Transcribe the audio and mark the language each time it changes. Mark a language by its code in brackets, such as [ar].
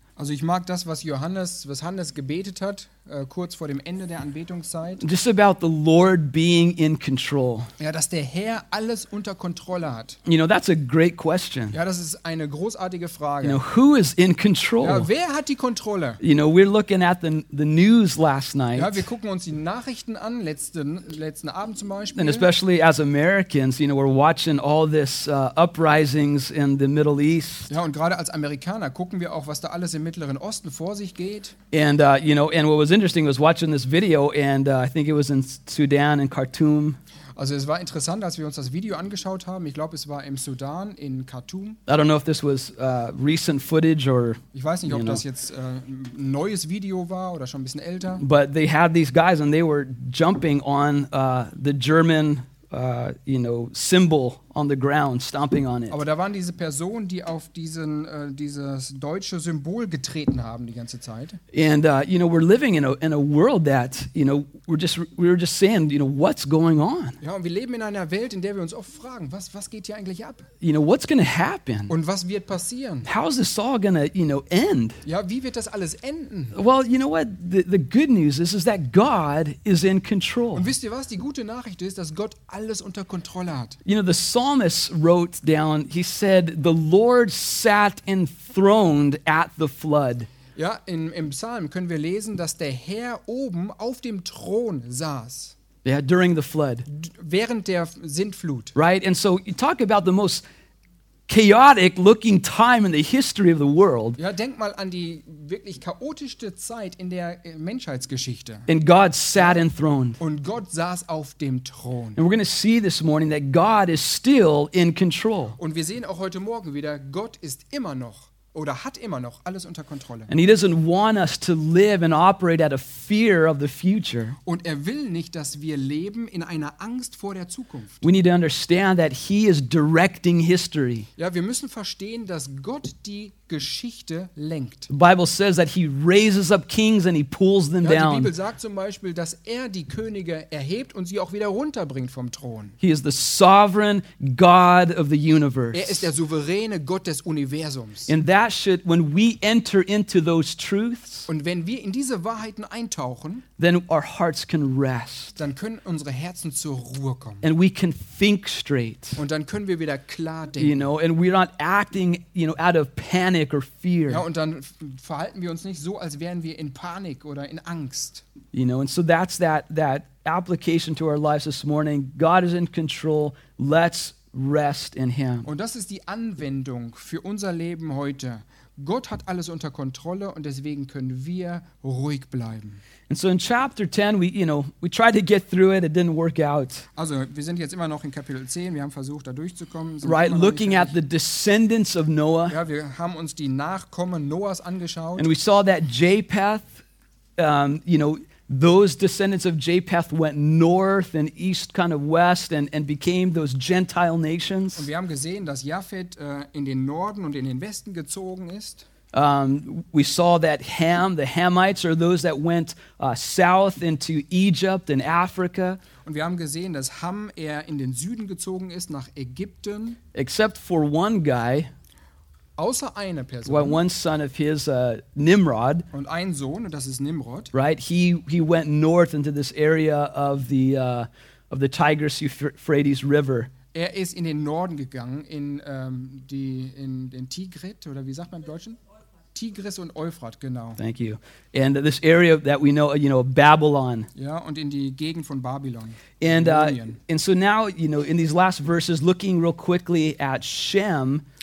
[de] Also ich mag das, was Hannes gebetet hat, kurz vor dem Ende der Anbetungszeit. [en] Just about the Lord being in control. [de] Ja, dass der Herr alles unter Kontrolle hat. [en] You know, that's a great question. [de] Ja, das ist eine großartige Frage. [en] You know, who is in control? [de] Ja, wer hat die Kontrolle? [en] You know, we're looking at the news last night. [de] Ja, wir gucken uns die Nachrichten an, letzten Abend zum Beispiel. [en] And especially as Americans, you know, we're watching all this uprisings in the Middle East. [de] Ja, und gerade als Amerikaner gucken wir auch, was da alles im Mittleren Osten vor sich geht. [en] And, you know, and what was interesting was watching this video, and I think it was in Sudan in Khartoum. [de] Also es war interessant, als wir uns das Video angeschaut haben. Ich glaube, es war im Sudan in Khartoum. [en] I don't know if this was recent footage or. [de] Ich weiß nicht, ob das jetzt neues Video war oder schon ein bisschen älter. [en] But they had these guys and they were jumping on the German symbol on the ground, stomping on it. [de] Aber da waren diese Personen, die auf dieses deutsche Symbol getreten haben die ganze Zeit. [en] And you know, we're living in a world that, you know, we're just saying, you know, what's going on? [de] Ja, und wir leben in einer Welt, in der wir uns oft fragen, was geht hier eigentlich ab? [en] You know, what's going to happen? [de] Und was wird passieren? [en] How's this all going to, you know, end? [de] Ja, wie wird das alles enden? [en] Well, you know what? The good news is that God is in control. [de] Und wisst ihr was? Die gute Nachricht ist, dass Gott alles unter Kontrolle hat. [en] You know, the Psalmist wrote down, he said, the Lord sat enthroned at the flood. [de] Ja, im Psalm können wir lesen, dass der Herr oben auf dem Thron saß. [en] Yeah, during the flood. [de] Während der Sintflut. [en] Right, and so you talk about the most chaotic looking time in the history of the world. [de] Ja, denk mal an die wirklich chaotischste Zeit in der Menschheitsgeschichte. [en] And God sat enthroned. [de] Und Gott saß auf dem Thron. [en] And we're going to see this morning that God is still in control. [de] Und wir sehen auch heute Morgen wieder, Gott ist immer noch oder hat immer noch alles unter Kontrolle. [en] And he doesn't want us to live and operate out of fear of the future. [de] Und er will nicht, dass wir leben in einer Angst vor der Zukunft. [en] We need to understand that he is directing history. [de] Ja, wir müssen verstehen, dass Gott die Geschichte lenkt. [en] The Bible says that he raises up kings and he pulls them down. [de] Ja, die Bibel sagt zum Beispiel, dass er die Könige erhebt und sie auch wieder runterbringt vom Thron. [en] He is the sovereign God of the universe. [de] Er ist der souveräne Gott des Universums. [en] And that should, when we enter into those truths, [de] und wenn wir in diese Wahrheiten eintauchen, [en] then our hearts can rest. [de] Dann können unsere Herzen zur Ruhe kommen. [en] And we can think straight. [de] Und dann können wir wieder klar denken. [en] You know, and we're not acting, you know, out of panic or fear. [de] Ja, und dann verhalten wir uns nicht so, als wären wir in Panik oder in Angst. [en] You know, and so that's that application to our lives this morning. God is in control. Let's rest in him. [de] Und das ist die Anwendung für unser Leben heute. Gott hat alles unter Kontrolle und deswegen können wir ruhig bleiben. [en] And so in chapter 10 we, you know, we tried to get through it, it didn't work out. [de] Also, wir sind jetzt immer noch in Kapitel 10, wir haben versucht da durchzukommen. [en] Right, looking at the descendants of Noah. [de] Ja, wir haben uns die Nachkommen Noahs angeschaut. [en] And we saw that Japheth, you know, those descendants of Japheth went north and east, kind of west, and became those Gentile nations. [de] Und wir haben gesehen, dass Japheth in den Norden und in den Westen gezogen ist. [en] We saw that Ham, the Hamites, are those that went south into Egypt and Africa. [de] Und wir haben gesehen, dass Ham eher in den Süden gezogen ist, nach Ägypten. [en] Except for one guy. [de] Außer einer Person. [en] Well, one son of his, Nimrod. [de] Und ein Sohn, und das ist Nimrod. [en] Right, he went north into this area of the Tigris-Euphrates River. [de] Er ist in den Norden gegangen, in den Tigrit, oder wie sagt man im Deutschen? Tigris und Euphrat, genau. [en] Thank you. And this area that we know, you know, Babylon. [de] Ja, und in die Gegend von Babylon. [en] And so now, you know, in these last verses, looking real quickly at Shem.